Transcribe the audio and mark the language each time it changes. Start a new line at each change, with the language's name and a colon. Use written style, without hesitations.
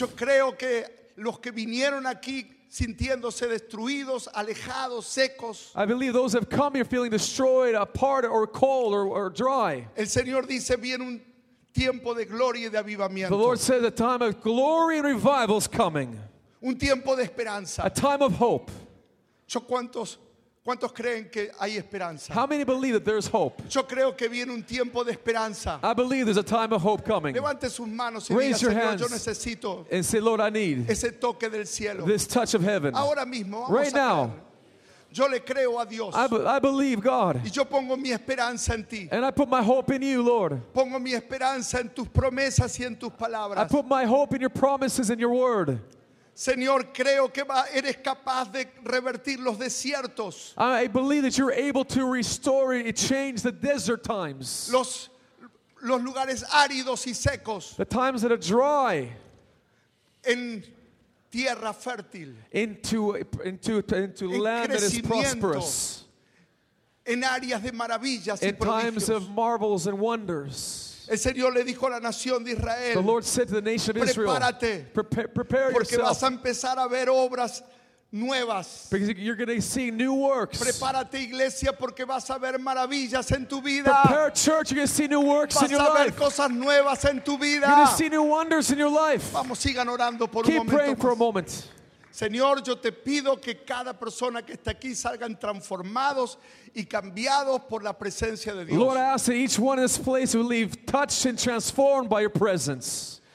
Spanish: Yo creo que los que vinieron aquí sintiéndose destruidos, alejados, secos.
English: I believe those have come here feeling destroyed, apart, or cold, or dry.
Spanish: El Señor dice, viene un tiempo de gloria y de avivamiento.
English: The Lord says a time of glory and revival is coming.
Spanish: Un tiempo de esperanza.
English: A time of hope.
Spanish: ¿Yo cuántos creen que hay esperanza?
English: How many believe that there's hope?
Spanish: Yo creo que viene un tiempo de esperanza.
English: I believe there's a time of hope coming.
Spanish: Levante sus manos y diga, Señor, yo necesito.
English: And say, Lord, I need
Spanish: ese toque del cielo.
English: This touch of heaven.
Spanish: Ahora mismo, vamos
English: right
Spanish: a
English: now.
Spanish: Yo le creo a Dios.
English: I believe God.
Spanish: Y yo pongo mi esperanza en ti.
English: And I put my hope in you, Lord.
Spanish: Pongo mi esperanza en tus promesas y en tus palabras.
English: I put my hope in your promises and your word.
Spanish: Señor, creo que eres capaz de revertir los desiertos.
English: I believe that you're able to restore and change the desert times.
Spanish: Los lugares áridos y secos.
English: The times that are dry.
Spanish: En tierra fértil.
English: Into land that is prosperous.
Spanish: En áreas de maravillas y prodigios.
English: In times of marvels and wonders.
Spanish: El Señor le dijo a la nación de Israel,
English: the Lord said to the nation of Israel,
Spanish: prepárate,
English: prepare
Spanish: porque
English: yourself,
Spanish: vas a empezar a ver obras nuevas.
English: Because you're going to see new works.
Spanish: Prepárate, iglesia, porque vas a ver maravillas en tu vida.
English: Prepare, church, you're going to see new works
Spanish: vas
English: in your life.
Spanish: Vas a ver cosas nuevas en tu vida.
English: You're going to see new wonders in your life.
Spanish: Vamos, sigan orando por
English: keep
Spanish: un momento.
English: Keep praying for a moment.
Spanish: Señor, yo te pido que cada persona que está aquí salgan transformados y cambiados por la presencia de Dios.
English: Lord, I ask that each one in this place will leave touched and transformed by your presence.